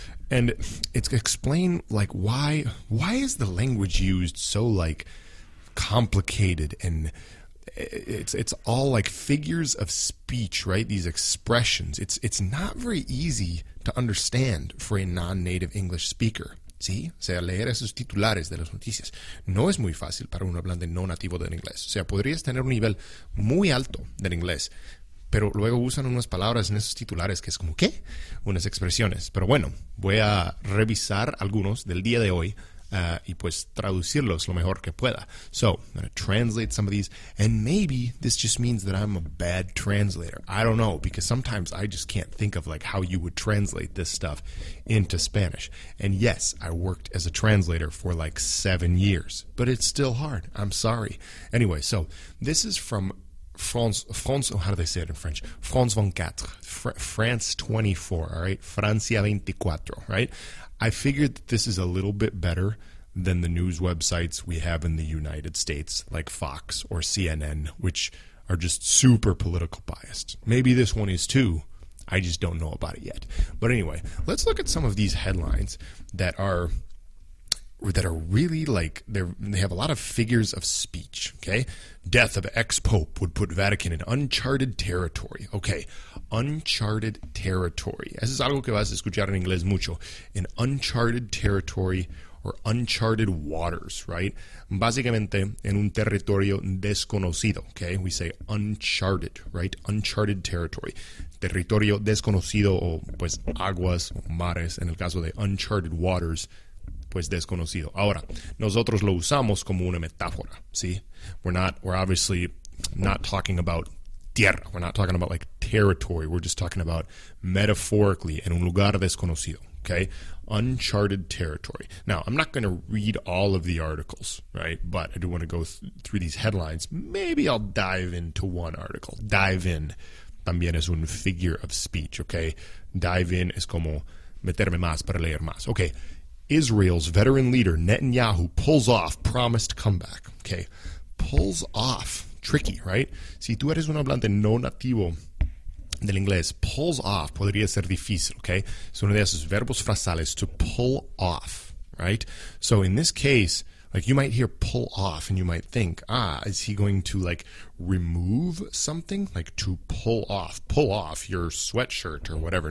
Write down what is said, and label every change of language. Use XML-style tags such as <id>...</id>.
<en>And it's explain, like, why is the language used so, like, complicated, and it's all, like, figures of speech, right? These expressions. It's not very easy to understand for a non-native English speaker,</en> <es>¿sí? O sea, leer esos titulares de las noticias no es muy fácil para un hablante no nativo del inglés. O sea, podrías tener un nivel muy alto del inglés, pero luego usan unas palabras en esos titulares que es como, ¿qué? Unas expresiones. Pero bueno, voy a revisar algunos del día de hoy y pues traducirlos lo mejor que pueda.</es> <en>So, I'm going to translate some of these. And maybe this just means that I'm a bad translator. I don't know, because sometimes I just can't think of, like, how you would translate this stuff into Spanish. And yes, I worked as a translator for, like, 7 years. But it's still hard. I'm sorry. Anyway, so, this is from France, oh, how do they say it in French? France 24, France 24, all right? Francia 24, right? I figured that this is a little bit better than the news websites we have in the United States, like Fox or CNN, which are just super political biased. Maybe this one is too. I just don't know about it yet. But anyway, let's look at some of these headlines that are really, like, they have a lot of figures of speech, okay? Death of ex-pope would put Vatican in uncharted territory. Okay, uncharted territory.</en> <es>Eso es algo que vas a escuchar en inglés mucho.</es> <en>In uncharted territory or uncharted waters, right?</en> <es>Básicamente, en un territorio desconocido, okay?</es> <en>We say uncharted, right? Uncharted territory.</en> <es>Territorio desconocido o, pues, aguas o mares. En el caso de uncharted waters, pues desconocido. Ahora, nosotros lo usamos como una metáfora, ¿sí?</es> <en>We're obviously not talking about</en> <es>tierra.</es> <en>We're not talking about, like, territory. We're just talking about metaphorically</en> <es>en un lugar desconocido,</es> <en>okay? Uncharted territory. Now, I'm not going to read all of the articles, right? But I do want to go through these headlines. Maybe I'll dive into one article.</en> <es>Dive in también es un</es> <en>figure of speech,</en> <es>okay? Dive in es como meterme más para leer más.</es> <en>Okay. Israel's veteran leader Netanyahu pulls off promised comeback. Okay, pulls off. Tricky, right?</en> <es>Si tú eres un hablante no nativo del inglés, pulls off podría ser difícil, okay? Es uno de esos verbos frasales,</es> <en>to pull off, right? So in this case, like, you might hear pull off and you might think, ah, is he going to, like, remove something? Like, to pull off your sweatshirt or whatever.</en>